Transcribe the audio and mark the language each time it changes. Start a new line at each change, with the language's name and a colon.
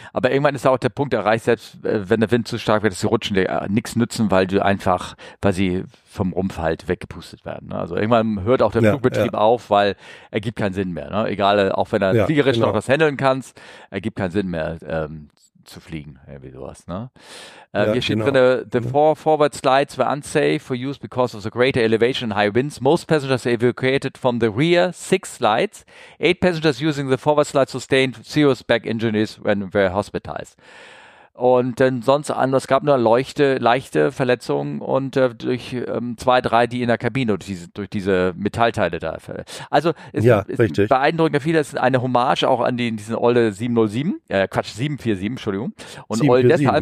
German: Aber irgendwann ist auch der Punkt erreicht, selbst wenn der Wind zu stark wird, dass die Rutschen nichts nützen, weil du einfach, weil sie vom Rumpf halt weggepustet werden. Ne? Also irgendwann hört auch der Flugbetrieb auf, weil er gibt keinen Sinn mehr. Ne? Egal, auch wenn er fliegerisch noch was handeln kannst, er gibt keinen Sinn mehr zu fliegen, irgendwie sowas. Ne? Hier steht drin,
English: forward slides were unsafe for use because of the greater elevation and high winds. Most passengers evacuated from the rear 6 slides. 8 passengers using the forward slides sustained serious back injuries when were hospitalized.
German: Und dann sonst anders, es gab nur leichte Verletzungen und durch 2, 3, die in der Kabine durch diese Metallteile da. Also ist beeindruckend viel. Das ist eine Hommage auch an diesen Olde 747, Entschuldigung. Und Olde deshalb,